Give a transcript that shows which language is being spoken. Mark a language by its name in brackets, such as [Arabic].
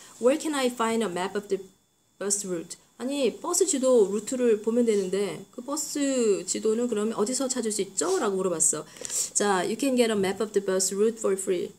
[English] Where can I find a map of the bus route? [Korean] 아니, 버스 지도 루트를 보면 되는데, 그 버스 지도는 그러면 어디서 찾을 수 있죠? 라고 물어봤어. [English] 자, you can get a map of the bus route for free.